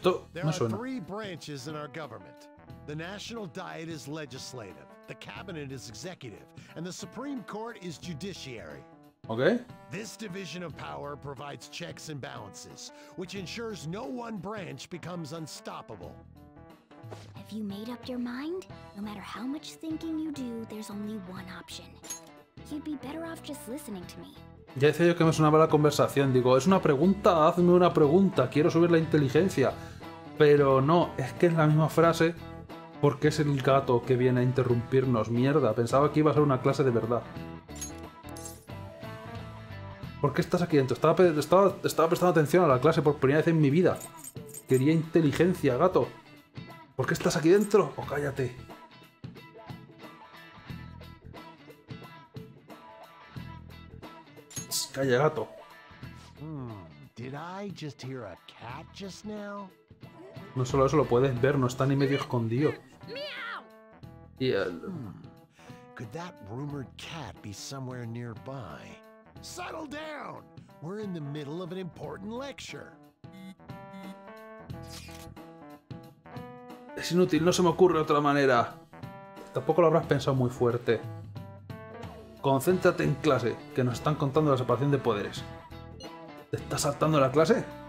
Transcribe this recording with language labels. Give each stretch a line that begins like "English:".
English: There are three branches in our government. The National Diet is legislative, the Cabinet is executive, and the Supreme Court is judiciary. Okay. This division of power provides checks and balances, which ensures no one branch becomes unstoppable. Have you made up your mind? No matter how much thinking you do, there's only one option. You'd be better off just listening to me.
Spanish: Ya decía yo que me sonaba la conversación. Digo, es una pregunta, hazme una pregunta. Quiero subir la inteligencia. Pero no, es que es la misma frase. Porque es el gato que viene a interrumpirnos. Mierda, pensaba que iba a ser una clase de verdad. ¿Por qué estás aquí dentro? Estaba prestando atención a la clase por primera vez en mi vida. Quería inteligencia, gato. ¿Por qué estás aquí dentro? O cállate. Calle, gato.
English: Did I just hear a cat just now?
Spanish: No solo eso, lo puedes ver, no está ni medio escondido. ¡Meow! Y el...
English: Could that rumored cat be somewhere nearby? Settle down! We're in the middle of an important lecture.
Spanish: Es inútil, no se me ocurre otra manera. Tampoco lo habrás pensado muy fuerte. Concéntrate en clase, que nos están contando la separación de poderes. ¿Te estás saltando la clase?